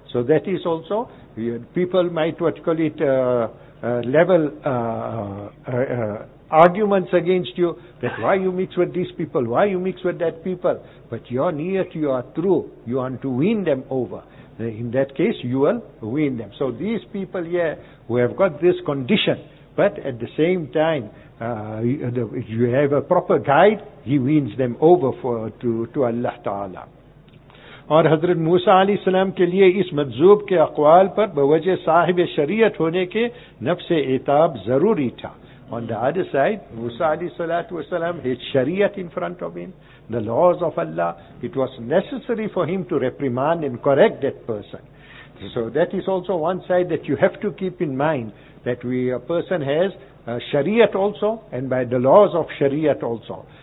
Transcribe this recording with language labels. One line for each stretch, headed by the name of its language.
English: So that is also, people might, what you call it, arguments against you, that why you mix with these people, why you mix with that people, but you're near to, you are true, you want to win them over. In that case, you will win them. So these people here, who have got this condition, but at the same time, you have a proper guide, he wins them over to Allah Ta'ala.
Urdu: اور حضرت موسیٰ علیہ السلام کے لیے اس مجذوب کے اقوال پر بوجہ صاحب شریعت ہونے کے نفس عتاب ضروری تھا.
English: On the other side, موسیٰ علیہ السلام, his شریعت in front of him, the laws of Allah, it was necessary for him to reprimand and correct that person. So that is also one side that you have to keep in mind, that a person has شریعت also, and by the laws of شریعت also.